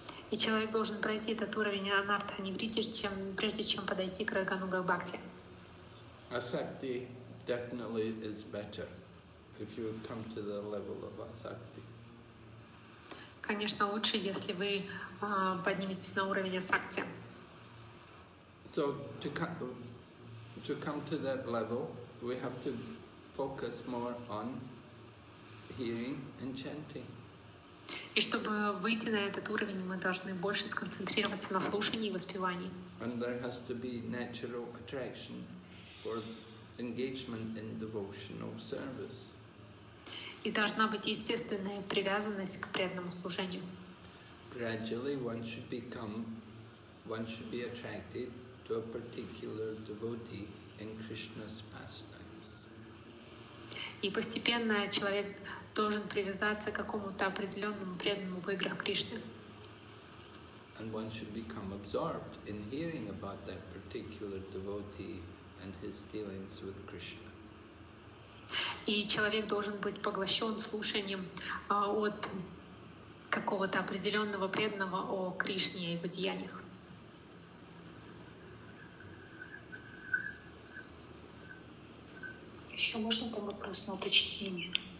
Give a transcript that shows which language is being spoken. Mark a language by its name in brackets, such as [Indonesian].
[Russian] И человек должен пройти этот уровень Анартха Нивритти, прежде чем подойти к Рагануга Бхакти. [English] Asakti definitely is better if you have come to the level of Asakti. [Russian] Конечно, лучше, если вы подниметесь на уровень Асакти. [English] So to come to that level, we have to focus more on hearing and chanting. [Russian] И чтобы выйти на этот уровень, мы должны больше сконцентрироваться на слушании и воспевании. [English] And there has to be natural attraction for engagement in devotional service. [Russian] И должна быть естественная привязанность к преданному служению. [English] Gradually one should be attracted to a particular devotee in Krishna's pastimes. [Russian] И постепенно человек должен привязаться к какому-то определенному преданному в играх Кришны. [English] And one should become absorbed in hearing about that particular devotee and his dealings with Krishna. [Russian] И человек должен быть поглощен слушанием от какого-то определенного преданного о Кришне и его деяниях. Еще можно там вопрос на уточнение?